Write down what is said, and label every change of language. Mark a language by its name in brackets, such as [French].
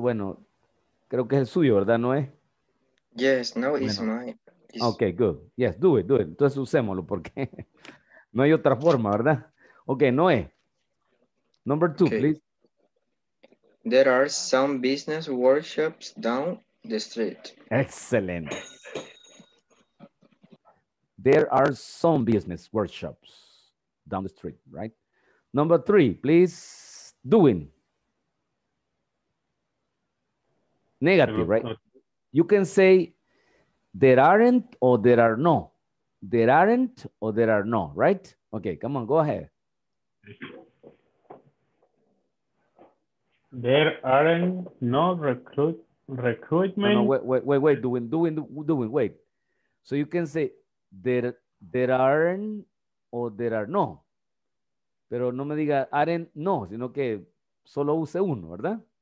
[Spanish] Bueno, creo que es el suyo, ¿verdad, Noé? [English] Yes, no, it's mine. Ok, good. Yes, do it. [Spanish] Entonces usémoslo porque no hay otra forma, ¿verdad? [English] Ok, Noé. Number two, okay. Please. There are some business workshops down the street. Excellent. There are some business workshops down the street, right? Number three, please. Doing. Negative, right? You can say there aren't or there are no. There aren't or there are no, right? Okay, come on, go ahead. There aren't no recruitment. Wait. So you can say there aren't or there are no. [Spanish] Pero no me diga [English] aren't no, [Spanish] sino que solo use uno, ¿verdad?